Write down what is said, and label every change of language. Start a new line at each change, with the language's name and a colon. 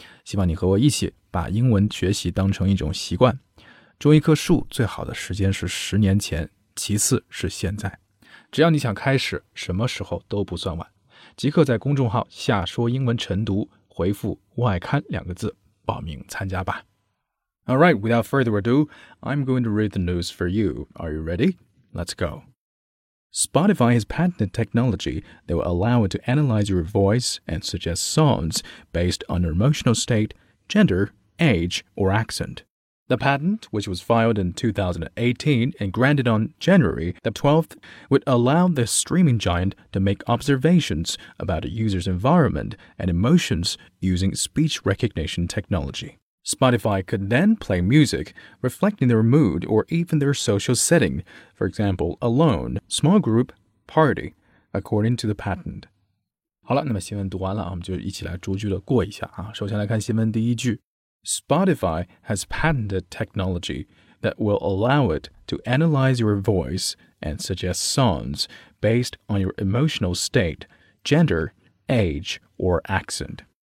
Chinese: 希望你和我一起把英文学习当成一种习惯。种一棵树最好的时间是十年前，其次是现在。只要你想开始，什么时候都不算晚。即刻在公众号下说英文晨读回复外刊两个字报名参加吧。
English: All right, without further ado, I'm going to read the news for you. Are you ready? Let's go. Spotify has patented technology that will allow it to analyze your voice and suggest songs based on your emotional state, gender, age, or accent. The patent, which was filed in 2018 and granted on January the 12th, would allow the streaming giant to make observations about a user's environment and emotions using speech recognition technology. Spotify could then play music, reflecting their mood or even their social setting, for example, alone, small group, party, according to the patent.
Chinese: 好了，那么新闻读完了，我们就一起来逐句的过一下啊。首先来看新闻第一句。
English: Spotify has patented technology that will allow it to analyze your voice and suggest songs based on your emotional state, gender, age, or accent.